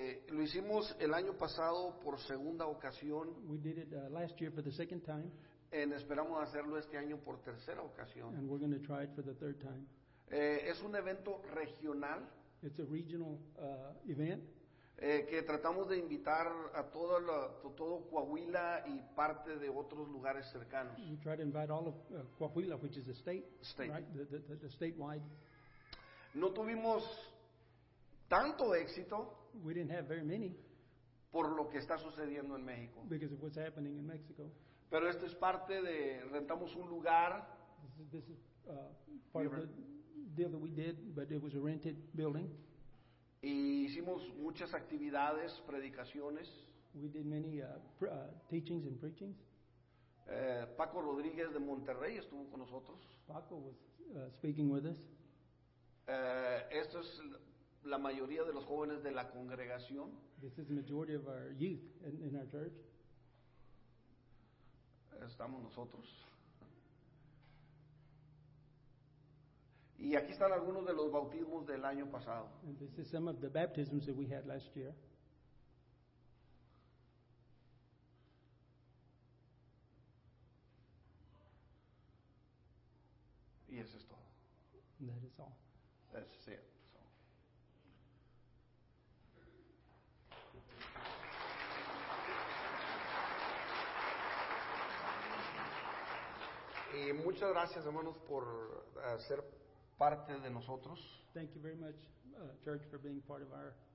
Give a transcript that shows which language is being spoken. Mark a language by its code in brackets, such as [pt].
[es] Lo hicimos el año pasado por segunda ocasión. [en] We did it last year for the second time. [es] And esperamos hacerlo este año por tercera ocasión. [en] And we're going to try it for the third time. [es] Es un evento regional. [en] It's a regional event. [es] Que tratamos de invitar a todo Coahuila y parte de otros lugares cercanos. [en] We try to invite all of Coahuila, which is a state. Right? The statewide. [es] No tuvimos tanto éxito. [en] We didn't have very many. [es] Por lo que está sucediendo en México. [en] Because of what's happening in Mexico. [es] Pero esto es parte de rentamos un lugar. [en] This is part of the deal that we did, but it was a rented building. [es] Y hicimos muchas actividades, predicaciones. [en] We did many teachings and preachings. [es] Paco Rodríguez de Monterrey estuvo con nosotros. [en] Paco was speaking with us. [es] Esto es la mayoría de los jóvenes de la congregación. [en] This is the majority of our youth in our church. [es] Estamos nosotros. Y aquí están algunos de los bautismos del año pasado. [en] And this is some of the baptisms that we had last year. [es] Y eso es todo. [en] And that is all. That's it. [es] Y muchas gracias, hermanos, por ser parte de nosotros. [en] Thank you very much, church, for being part of our